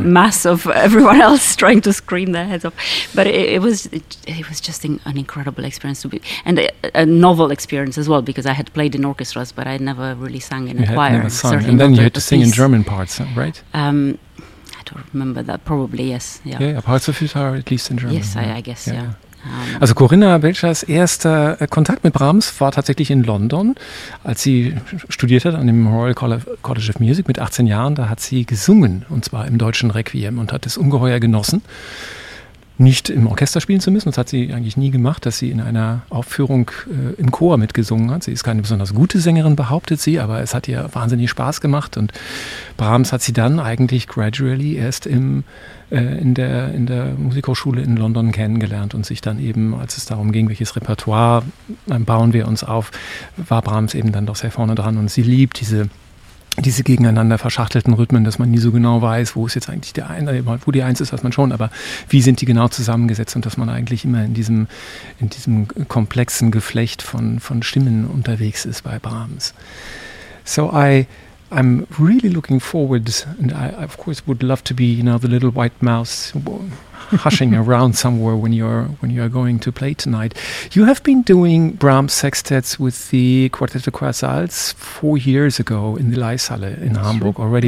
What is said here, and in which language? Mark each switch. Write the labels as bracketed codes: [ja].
[en] mass of everyone else trying to scream their heads off. But it was just an incredible experience to be, and a novel experience as well, because I had played in orchestras, but I never really sang in you a choir. Never sung. And then you had to sing in German parts, right? I don't remember that. Probably yes. Yeah, parts of it are at least in German. Yes, I guess. Yeah. [de] Also Corinna Belschers erster Kontakt mit Brahms war tatsächlich in London, als sie studiert hat an dem Royal College of Music mit 18 Jahren. Da hat sie gesungen, und zwar im deutschen Requiem, und hat es ungeheuer genossen, nicht im Orchester spielen zu müssen. Das hat sie eigentlich nie gemacht, dass sie in einer Aufführung im Chor mitgesungen hat. Sie ist keine besonders gute Sängerin, behauptet sie, aber es hat ihr wahnsinnig Spaß gemacht. Und Brahms hat sie dann eigentlich [en] gradually [de] erst in der Musikhochschule in London kennengelernt und sich dann eben, als es darum ging, welches Repertoire bauen wir uns auf, war Brahms eben dann doch sehr vorne dran. Und sie liebt diese gegeneinander verschachtelten Rhythmen, dass man nie so genau weiß, wo ist jetzt eigentlich der eine, wo die eins ist, weiß man schon, aber wie sind die genau zusammengesetzt, und dass man eigentlich immer in diesem komplexen Geflecht von Stimmen unterwegs ist bei Brahms. [en] So I'm really looking forward, and I of course would love to be, the little white mouse hushing around somewhere when you're going to play tonight. You have been doing Brahms sextets with the Quartet de Quassals 4 years ago in the Leihsalle in Hamburg already.